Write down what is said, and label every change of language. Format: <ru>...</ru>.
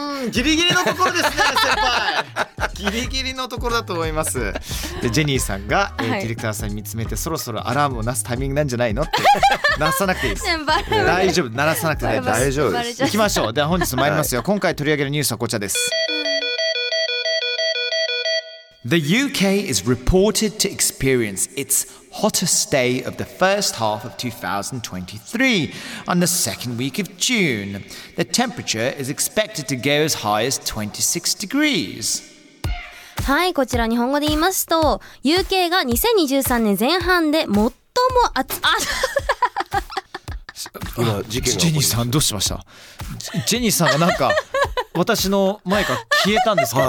<ja>ギリギリのところですね、先輩。ギリギリのところだと思います。でジェニーさんが、はい、ディレクターさんに見つめて、そろそろアラームを鳴らすタイミングなんじゃないのって鳴らさなくていいです。先輩、大丈夫、鳴らさなくて大丈夫です。行きましょう。では本日参りますよ、はい、今回取り上げるニュースはこちらです。</ja> <en>The UK is reported to experience its hottest day of the first half of 2023 on the second week of June. The temperature is expected to go as high as 26 degrees</en> <ja>はい、こちら日本語で言いますと、 UK が2023年前半で最も暑っ、あっ今事件が、ジェニーさんどうしました？ジェニーさんがなんか私の前から消えたんですけど、</ja>